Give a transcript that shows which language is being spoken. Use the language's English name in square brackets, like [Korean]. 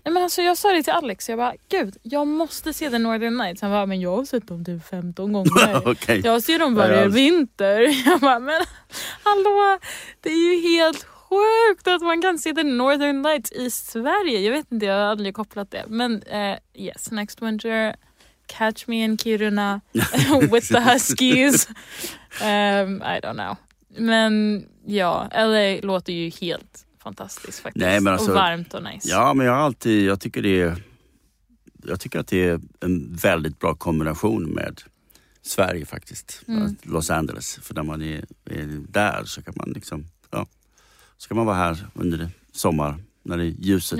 [Swedish] Nej, men alltså jag sa det till Alex. Jag bara, gud, jag måste se The Northern Lights. Han bara, men jag har sett dem typ 15 gånger. [English] Okay. [Swedish] Jag ser dem bara i vinter. Jag bara, men hallå, det är ju helt sjukt att man kan se The Northern Lights i Sverige. Jag vet inte, jag har aldrig kopplat det. Men [English] yes, next winter, catch me in Kiruna with the Huskies. I don't know. [Swedish] Men ja, LA låter ju helt fantastiskt faktiskt. Nej, men alltså, och varmt och nice. Ja, men jag har alltid, jag tycker att det är en väldigt bra kombination med Sverige faktiskt. Mm. Los Angeles, för när man är där så kan man liksom, ja, så kan man vara här under sommar när det är ljuset.